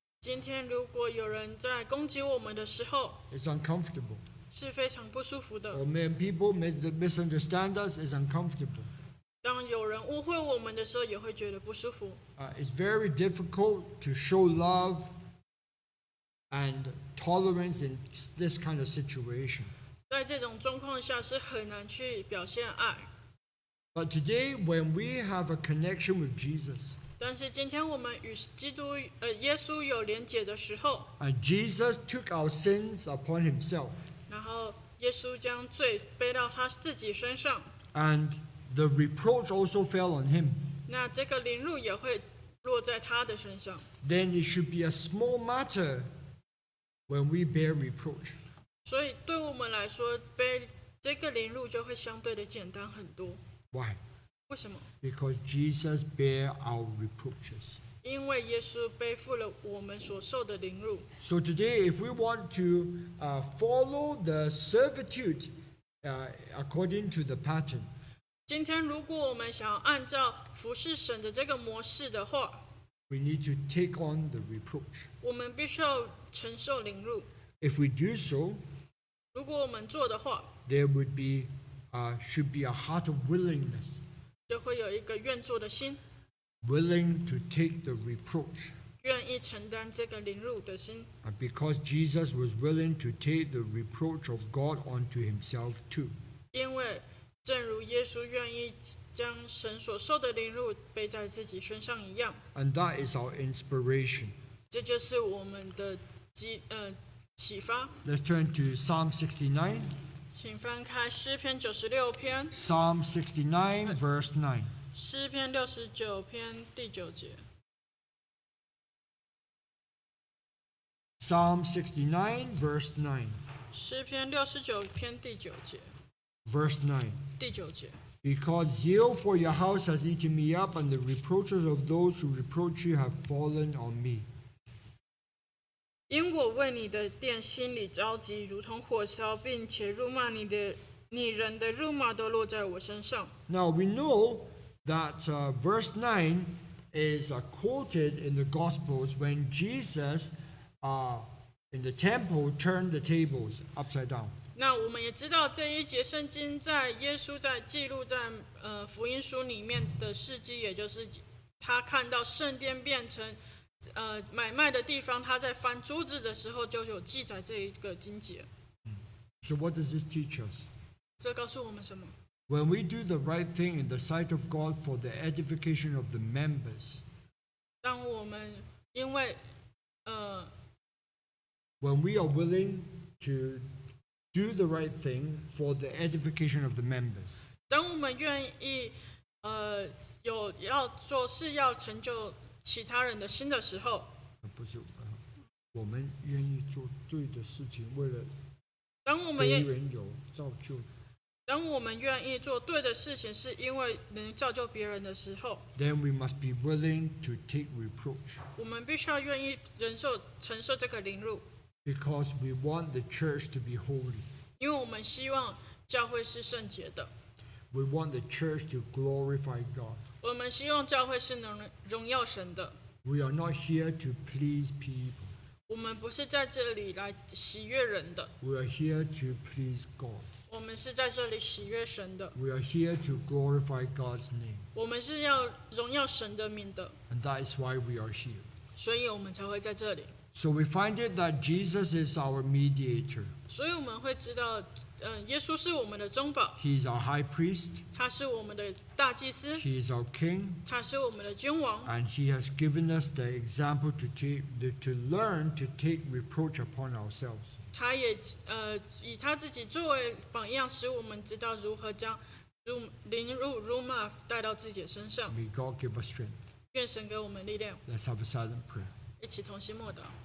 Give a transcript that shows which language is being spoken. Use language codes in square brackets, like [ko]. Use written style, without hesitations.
[zh] 今天如果有人在攻击我们的时候 [en] ，It's uncomfortable， [zh] 是非常不舒服的。 [en] Or when people misunderstand us, it's uncomfortable。 [zh] 当有人误会我们的时候，也会觉得不舒服。 [en] It's very difficult to show love and tolerance in this kind of situation。 [zh] 在这种状况下，是很难去表现爱。 [en] But today, when we have a connection with Jesus, [zh] 但是今天我们与基督耶稣有连结的时候 [en] ，and Jesus took our sins upon Himself, [zh] 然后耶稣将罪背到他自己身上 [en] ，and the reproach also fell on Him. [zh] 那这个凌辱也会落在他的身上。 [en] Then it should be a small matter when we bear reproach. [zh] 所以对我们来说，背这个凌辱就会相对的简单很多。 [en] Why? [zh] 为什么? [en] Because Jesus bear our reproaches. [zh] 因为耶稣背负了我们所受的凌辱。 [en] So today, if we want to follow the servitude according to the pattern, [zh] 今天如果我们想要按照服侍神的这个模式的话, [en] we need to take on the reproach. [zh] 我们必须要承受凌辱。 [en] If we do so, [zh] 如果我们做的话, [en] there would be should be a heart of willingness. [zh] 就会有一个愿做的心。 [en] Willing to take the reproach. [zh] 愿意承担这个凌辱的心。 [en] Because Jesus was willing to take the reproach of God onto himself too. [zh] 因为正如耶稣愿意将神所受的凌辱背在自己身上一样。 [en] And that is our inspiration. [zh] 这就是我们的启发。 [en] Let's turn to Psalm 69. [zh] 请翻开诗篇九十六篇。 [en] Psalm 69, verse 9. [zh] 诗篇六十九篇第九节。 [en] Psalm 69, verse 9. [zh] 诗篇六十九篇第九节。 [en] Verse 9. [zh] 第九节。 [en] Because zeal for your house has eaten me up, and the reproaches of those who reproach you have fallen on me. [zh] 因我为你的殿心里着急，如同火烧，并且辱骂你的你人的辱骂都落在我身上。 [en] Now we know that verse 9 is quoted in the Gospels when Jesus in the temple turned the tables upside down. [zh] 那我们也知道这一节圣经在耶稣在记录在福音书里面的事迹，也就是他看到圣殿变成买卖的地方，他在翻桌子的时候就有记载这一个经节。 [en] So what does this teach us? [zh] 这告诉我们什么？ [en] When we do the right thing in the sight of God for the edification of the members, [zh] 当我们因为 [en] When we are willing to do the right thing for the edification of the members, [zh] 当我们愿意有要做事要成就其他人的心的时候，不是我们愿意做对的事情，为了当我们别人有造就。当我们愿意做对的事情，是因为能造就别人的时候 [en] ，Then we must be willing to take reproach. [zh] 我们必须要愿意承受这个凌辱 [en] ，Because we want the church to be holy. [zh] 因为我们希望教会是圣洁的 [en] ，We want the church to glorify God. [zh] 我们希望教会是能荣耀神的。 [en] We are not here to please people. [zh] 我们不是在这里来喜悦人的。 [en] We are here to please God. [zh] 我们是在这里喜悦神的。 [en] We are here to glorify God's name. [zh] 我们是要荣耀神的名的。 [en] And that is why we are here. [zh] 所以我们才会在这里。 [en] So we find it that Jesus is our mediator. [zh] 所以我们会知道耶稣是我们的中保。 [en] He is our high priest. [zh] 他是我们的大祭司。 [en] He is our king. [zh] 他是我们的君王。 [en] And he has given us the example to learn to take reproach upon ourselves. [zh] 他也以他自己作为榜样，使我们知道如何将凌辱辱骂带到自己身上。 [en] May God give us strength. [zh] 愿神给我们力量。 [en] Let's have a silent prayer. [zh] 一起同心默祷。